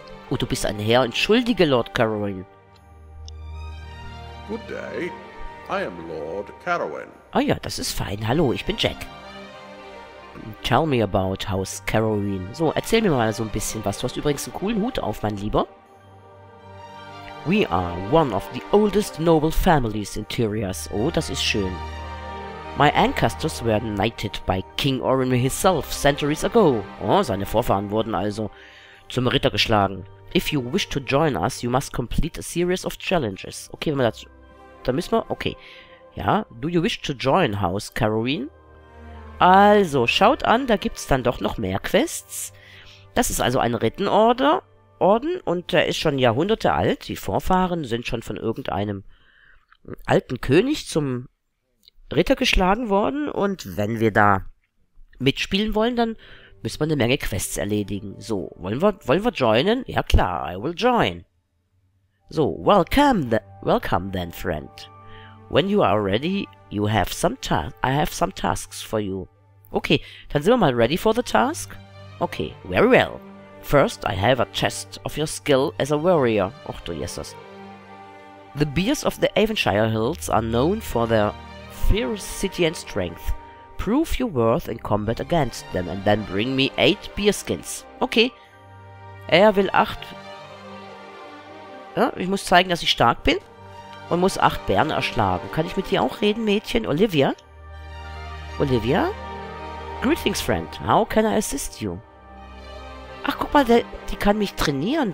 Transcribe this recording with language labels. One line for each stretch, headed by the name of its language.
German: Oh, du bist ein Herr. Entschuldige, Lord Carowin.
English: Good day. I am Lord Carowin.
German: Ah ja, das ist fein. Hallo, ich bin Jack.
English: Tell me about House Carowin.
German: So, erzähl mir mal so ein bisschen was. Du hast übrigens einen coolen Hut auf, mein Lieber.
English: We are one of the oldest noble families in Tyrias.
German: Oh, das ist schön.
English: My ancestors were knighted by King Orin himself centuries ago.
German: Oh, seine Vorfahren wurden also zum Ritter geschlagen.
English: If you wish to join us, you must complete a series of challenges.
German: Okay, wenn wir dazu... Da müssen wir... Okay. Ja,
English: do you wish to join House Carowin?
German: Also, schaut an, da gibt's dann doch noch mehr Quests. Das ist also ein Rittenorden und der ist schon Jahrhunderte alt. Die Vorfahren sind schon von irgendeinem alten König zum Ritter geschlagen worden. Und wenn wir da mitspielen wollen, dann müssen wir eine Menge Quests erledigen. So, wollen wir joinen? Ja klar,
English: I will join. So, welcome then, friend. When you are ready, you have some I have some tasks for you. Okay,
German: dann sind wir mal
English: ready for the task. Okay, very well. First, I have a test of your skill as a warrior.
German: Och du Jesus.
English: The bears of the Avonshire Hills are known for their ferocity and strength. Prove your worth in combat against them and then bring me 8 bearskins.
German: Okay. Er will 8... Ja, ich muss zeigen, dass ich stark bin. Und muss 8 Bären erschlagen. Kann ich mit dir auch reden, Mädchen? Olivia? Olivia?
English: Greetings, friend. How can I assist you?
German: Ach, guck mal, die kann mich trainieren.